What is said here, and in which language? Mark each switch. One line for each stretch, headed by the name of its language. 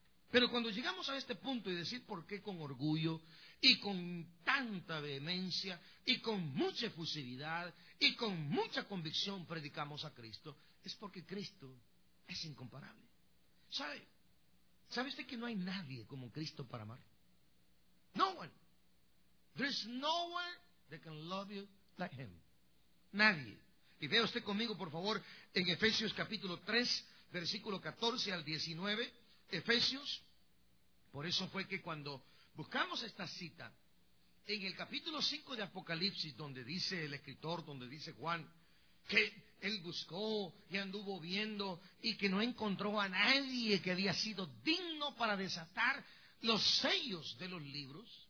Spanish: Pero cuando llegamos a este punto y decir por qué con orgullo y con tanta vehemencia y con mucha efusividad y con mucha convicción predicamos a Cristo, es porque Cristo es incomparable. ¿Sabe? ¿Sabe usted que no hay nadie como Cristo para amar?
English: No one. There's no one that can love you like Him.
Spanish: Nadie. Y vea usted conmigo, por favor, en Efesios capítulo 3, versículo 14 al 19. Efesios, por eso fue que cuando buscamos esta cita, en el capítulo 5 de Apocalipsis, donde dice el escritor, donde dice Juan, que él buscó y anduvo viendo y que no encontró a nadie que había sido digno para desatar los sellos de los libros,